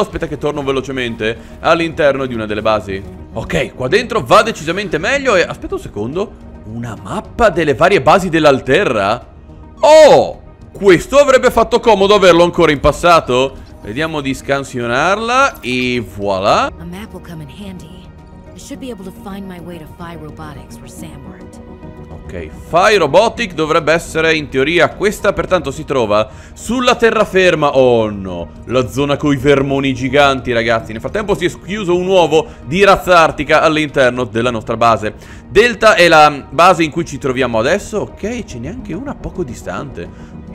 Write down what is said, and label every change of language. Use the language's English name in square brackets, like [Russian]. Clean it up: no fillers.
[Italian] Aspetta che torno velocemente all'interno di una delle basi. Ok, qua dentro va decisamente meglio. E aspetta un secondo. Una mappa delle varie basi dell'Alterra. Oh, questo avrebbe fatto comodo averlo ancora in passato. Vediamo di scansionarla. E voilà. Una mappa [English] will come in handy. I should be able to find my way to Fire Robotics where Sam worked. [Italian] Ok, Fire Robotic dovrebbe essere in teoria questa, pertanto si trova sulla terraferma. Oh no, la zona con i vermoni giganti, ragazzi. Nel frattempo si è schiuso un uovo di razza artica all'interno della nostra base. Delta è la base in cui ci troviamo adesso. Ok, ce n'è anche una poco distante.